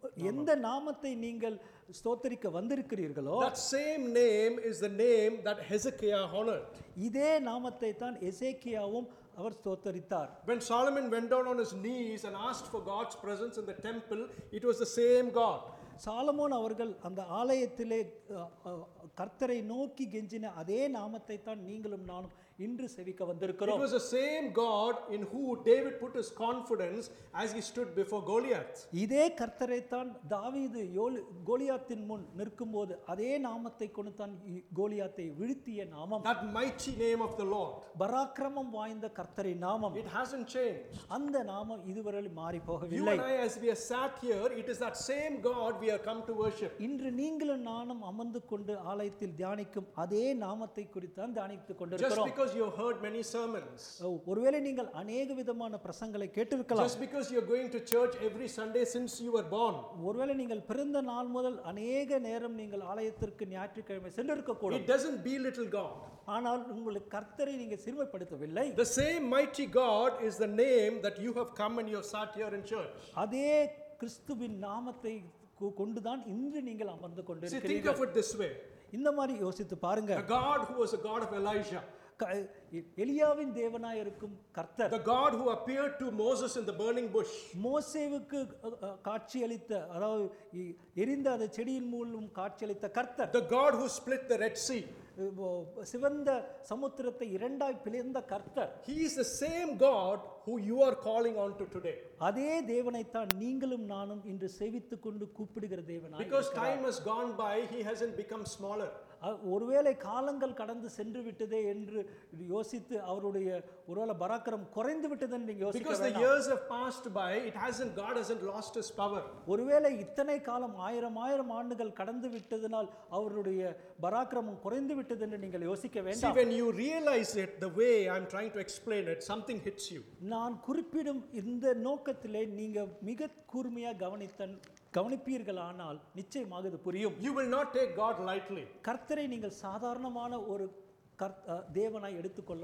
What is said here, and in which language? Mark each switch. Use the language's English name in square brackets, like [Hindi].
[Tamil] எந்த நாமத்தை நீங்கள் ஸ்தோத்தரிக்க வந்திருக்கிறீர்களோ [English] that same name is the name that Hezekiah honored. [Tamil] இதே நாமத்தை தான் எசேக்கியாவும் அவர் ஸ்தோத்தரித்தார். [English] When Solomon went down on his knees and asked for God's presence in the temple, it was the same God. [Tamil] Solomon அவர்கள் அந்த ஆலயத்திலே கர்த்தரை நோக்கி கெஞ்சின அதே நாமத்தை தான் நீங்களும் நானும் இன்று செவிக்க வந்திருக்கிறோம். [English] It was the same God in who David put his confidence as he stood before Goliath. [Tamil] இதே கர்த்தரை தான் தாவீது கோலியாத்தின் முன் நிற்கும்போது அதே நாமத்தை கொண்டு தான் கோலியாத்தை வீழ்த்திய நாமம். [English] That mighty name of the Lord. [Tamil] பராக்கிரமம் வாய்ந்த கர்த்தரின் நாமம். [English] It hasn't changed. [Tamil] அந்த நாமம் இதுவரை மாறி போகவில்லை. [English] You and I as we are sat here it is that same God we are come to worship. [Tamil] இன்று நீங்களும் நானும் அமர்ந்து கொண்டு ஆலயத்தில் தியானிக்கும் அதே நாமத்தை குறித்து தான் தியானித்துக் கொண்டிருக்கிறோம். [English] Because you heard many sermons. [Tamil] ஒருவேளை நீங்கள் अनेक விதமான பிரசங்களை கேட்டிருக்கலாம். [English] Just because you are going to church every Sunday since you were born. [Tamil] ஒருவேளை நீங்கள் பிறந்த நாள் முதல் अनेक நேரம் நீங்கள் ஆலயத்திற்கு ஞாயிற்றுக்கிழமை சென்றிருக்கக்கூடும். [English] It doesn't be little God. [Tamil] ஆனால் உங்களுக்கு கர்த்தரை நீங்கள் சிறுமைப்படுத்தவில்லை. [English] The same mighty God is the name that you have come and you have sat here in church. [Tamil] அதே கிறிஸ்துவின் நாமத்தை கொண்டுதான் இன்று நீங்கள் அமர்ந்து கொண்டிருக்கிறீர்கள். [English] See, think of it this way. [Tamil] இந்த மாதிரி யோசித்து பாருங்க. [English] The God who was a God of Elijah. [Tamil] எலியாவின் தேவனாய் இருக்கும் கர்த்தர். [English] The God who appeared to Moses in the burning bush. [Tamil] மோசேவுக்கு காட்சி அளித்த அதாவது எரிந்த அந்த செடியின் மூலம் காட்சி அளித்த கர்த்தர். [English] The God who split the Red Sea. [Tamil] சிவந்த சமுத்திரத்தை இரண்டாய் பிளந்த கர்த்தர். [English] He is the same God who you are calling on to today. [Tamil] அதே தேவனை தான் நீங்களும் நானும் இன்று சேவித்துக் கொண்டு கூப்பிடுகிற தேவனாய். [English] Because time has gone by he hasn't become smaller. [Tamil] ஒருவேளை காலங்கள் கடந்து சென்று விட்டதே என்று யோசித்து அவருடைய ஒருவேளை பராக்கிரம் குறைந்து விட்டதுன்னு நீங்க யோசிக்க வேண்டாம். [English] Because the years have passed by it hasn't God hasn't lost his power. [Tamil] ஒருவேளை இத்தனை காலம் ஆயிரம் ஆயிரம் ஆண்டுகள் கடந்து விட்டதனால் அவருடைய பராக்கிரமம் குறைந்து விட்டதுன்னு நீங்க யோசிக்க வேண்டாம். [English] See, when you realize it the way I'm trying to explain it something hits you. [Tamil] நான் குறிப்பிடும் இந்த நோக்கத்திலே நீங்க மிக கூர்மையா கவனிப்பீர்களானால் நிச்சயமாக இது புரியும். [English] You will not take God lightly. [Tamil] கர்த்தரை நீங்கள் சாதாரணமான ஒரு தேவனாய் எடுத்துக்கொள்ள